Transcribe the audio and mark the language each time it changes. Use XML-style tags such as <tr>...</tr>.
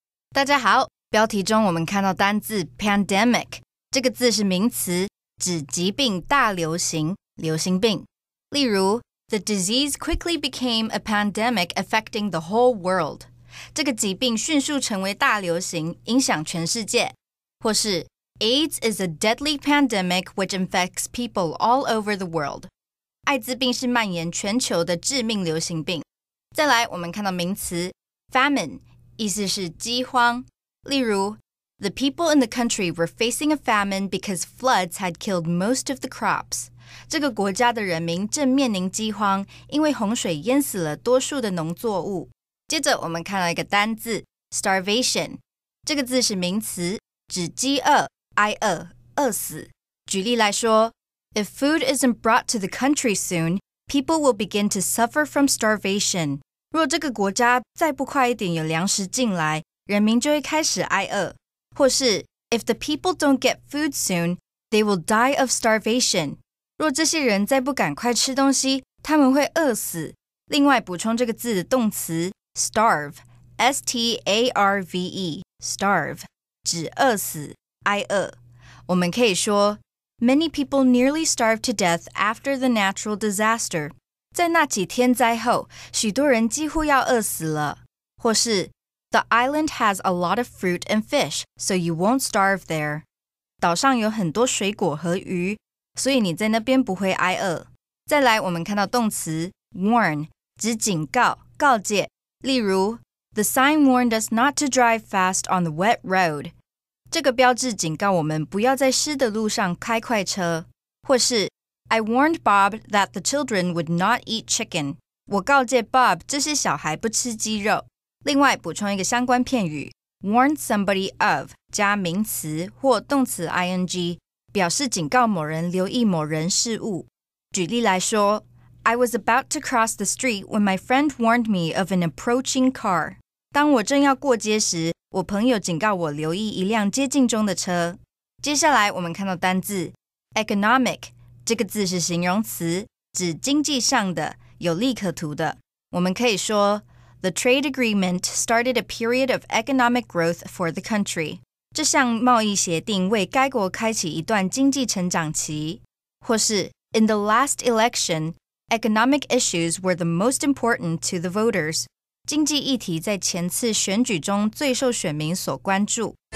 <zh>大家好，标题中我们看到单字 pandemic， 这个字是名词，指疾病大流行，流行病。例如</zh> <en>，The disease quickly became a pandemic affecting the whole world。</en> <zh>这个疾病迅速成为大流行，影响全世界。或是</zh> <en>，AIDS is a deadly pandemic which infects people all over the world。</en> <zh>艾滋病是蔓延全球的致命流行病。再来，我们看到名词 famine。意思是饥荒。例如</zh> <en>,The people in the country were facing a famine because floods had killed most of the crops.</en> <zh>这个国家的人民正面临饥荒因为洪水淹死了多数的农作物。接着我们看到一个单字 ,starvation。这个字是名词指饥饿挨饿饿死。举例来说</zh> <en>,If food isn't brought to the country soon, people will begin to suffer from starvation.</en> <zh>若这个国家再不快一点有粮食进来，人民就会开始挨饿。或是</zh> <en>,If the people don't get food soon, they will die of starvation.</en> <zh>若这些人再不赶快吃东西，他们会饿死。另外补充这个字的动词 ,starve, S-T-A-R-V-E, starve, 指饿死、挨饿。我们可以说</zh> <en>,Many people nearly starved to death after the natural disaster.</en> <zh>在那几天灾后，许多人几乎要饿死了。或是</zh> <en>,The island has a lot of fruit and fish, so you won't starve there.</en> <zh>岛上有很多水果和鱼，所以你在那边不会挨饿。再来，我们看到动词 ,warn, 指警告、告诫。例如</zh> <en>,The sign warned us not to drive fast on the wet road.</en> <zh>这个标志警告我们不要在湿的路上开快车。或是</zh> <en>I warned Bob that the children would not eat chicken.</en> <zh>我告诫 Bob 这些小孩不吃鸡肉。另外补充一个相关片语 ,warn somebody of 加名词或动词 ing, 表示警告某人留意某人事物。举例来说</zh> <en>,I was about to cross the street when my friend warned me of an approaching car.</en> <zh>当我正要过街时我朋友警告我留意一辆接近中的车。接下来我们看到单字 ,economic,这个字是形容词，指经济上的，有利可图的。我们可以说</zh> <en>the trade agreement started a period of economic growth for the country.</en> <zh>这项贸易协定为该国开启一段经济成长期。或是</zh> <en>in the last election, economic issues were the most important to the voters.</en> <zh>经济议题在前次选举中最受选民所关注。</zh>